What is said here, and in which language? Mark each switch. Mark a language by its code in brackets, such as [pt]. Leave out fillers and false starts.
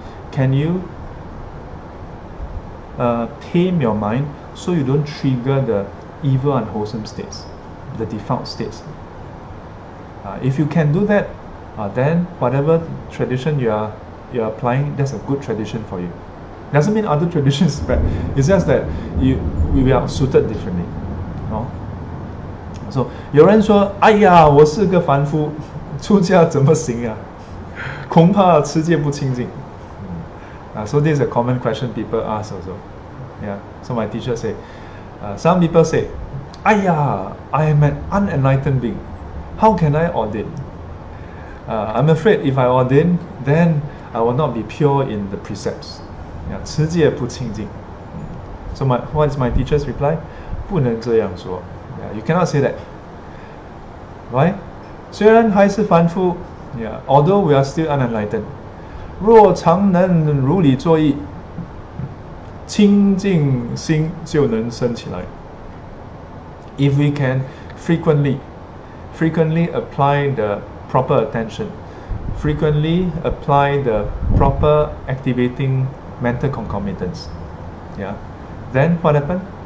[en] Can you tame your mind so you don't trigger the evil unwholesome states, the default states? If you can do that, then whatever tradition you're applying, that's a good tradition for you. Doesn't mean other traditions are bad. It's just that we are suited differently. No? [zh] So, 有人说, 哎呀,我是个凡夫, 出家怎么行啊? 恐怕持戒不清净。 [en] So this is a common question people ask also. Yeah. So my teacher say, some people say, [zh] 哎呀, [en] I am an unenlightened being. How can I ordain? I'm afraid if I ordain, then I will not be pure in the precepts. [zh] Yeah, 持戒不清净. [en] So what is my teacher's reply? [zh] 不能这样说. [en] Yeah, you cannot say that. Right? [zh] 虽然还是凡夫, [en] yeah, although we are still unenlightened, [zh] 若常能如理作意, 清净心就能生起来. [en] If we can frequently apply the proper attention, frequently apply the proper activating mental concomitants, yeah, then what happened?